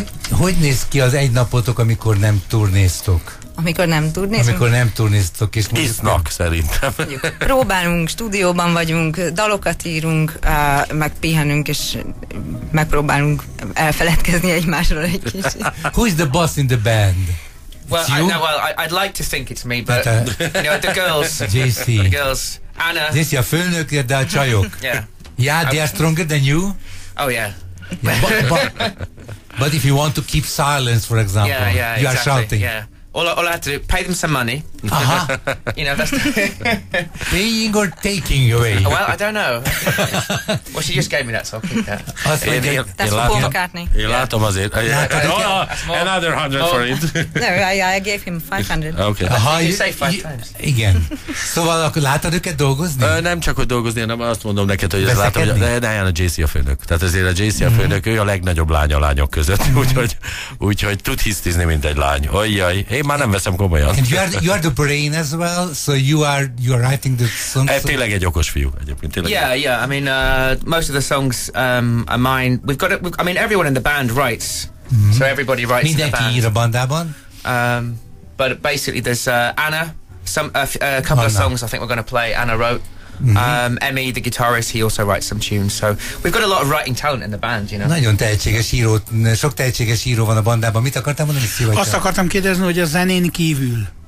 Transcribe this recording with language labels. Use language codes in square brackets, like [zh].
[hu] Hogy néz ki az egy napotok, amikor nem turnéztok? Amikor nem turnéztok, és isznak, szerintem. Próbálunk, stúdióban vagyunk, dalokat írunk, meg pihenünk, és megpróbálunk elfeledkezni egymásról egy kicsit. [en] Who is the boss in the band? Well, I'd like to think it's me, but you know, the girls. JC. The girls. Anna. [hu] JC, a főnök, de a csajok. [en] Yeah. Yeah, they are stronger than you. Oh, yeah. Yeah. But if you want to keep silence, for example, you exactly, are shouting. Yeah. All I have to do, pay them some money. Uh-huh. You know, that's paying or taking away? Well, I don't know. Well, she just gave me that, so I'll keep that. That's Paul McCartney. You [hu] látom azért. [en] Another 100 for it. No, I gave him 500. Okay. Did you say five times? [hu] Igen. Szóval akkor látod őket dolgozni? Nem csak, hogy dolgozni, hanem azt mondom neked, hogy látom, hogy a JC a főnök. Tehát azért a JC a főnök, ő a legnagyobb lány a lányok között. Úgyhogy tud hisztizni, mint egy lány. Ajjaj, én már nem veszem komolyan. [en] The brain as well, so you are writing the songs. [hu] Tényleg egy okos fiú egyébként. [en] I mean, most of the songs are mine. I mean, everyone in the band writes, so everybody writes. [hu] Mindenki [en] in the band. [hu] Ír a bandában. [en] But basically, there's Anna. A couple of songs I think we're going to play. Anna wrote. Mm-hmm. Emmy, the guitarist, he also writes some tunes. So we've got a lot of writing talent in the band, you know. [hu] Nagyon tehetséges író, sok tehetséges író van a bandában. Mit akartam mondani? Azt akartam kérdezni, hogy a zenén kívül.